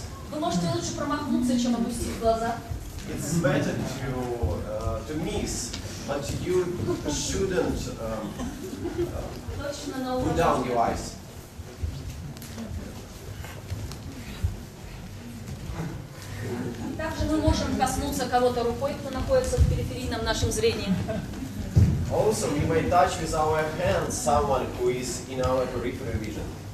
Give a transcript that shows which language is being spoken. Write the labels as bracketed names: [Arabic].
[Russian] Вы можете лучше промахнуться, чем опустить глаза. [English] It's better to miss, but you shouldn't put down your eyes. [Russian] Также мы можем коснуться кого-то рукой, кто находится в периферийном нашем зрении. [English] Also, we may touch with our hands someone who is in our peripheral vision.